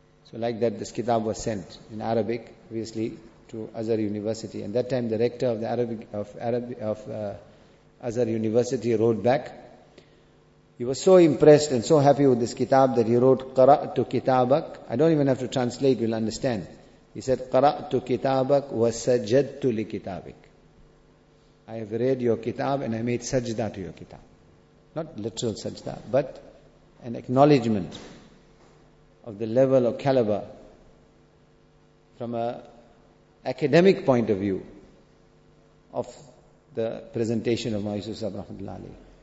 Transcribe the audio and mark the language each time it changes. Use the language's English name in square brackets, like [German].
[English] So like that, this kitab was sent in Arabic, obviously, to Azhar University. And that time, the rector of the Azhar University wrote back. He was so impressed and so happy with this kitab that he wrote, [Arabic] قَرَأْتُ كِتَابَكْ. [English] I don't even have to translate, you'll understand. He said, [Arabic] قَرَأْتُ كِتَابَكْ وَسَجَدْتُ لِكِتَابِكْ. [English] I have read your kitab and I made sajda to your kitab. Not literal sajda, but an acknowledgement of the level or caliber from an academic point of view of the presentation of Mawlana Yusuf Sahib Rahmatullah Alayhi.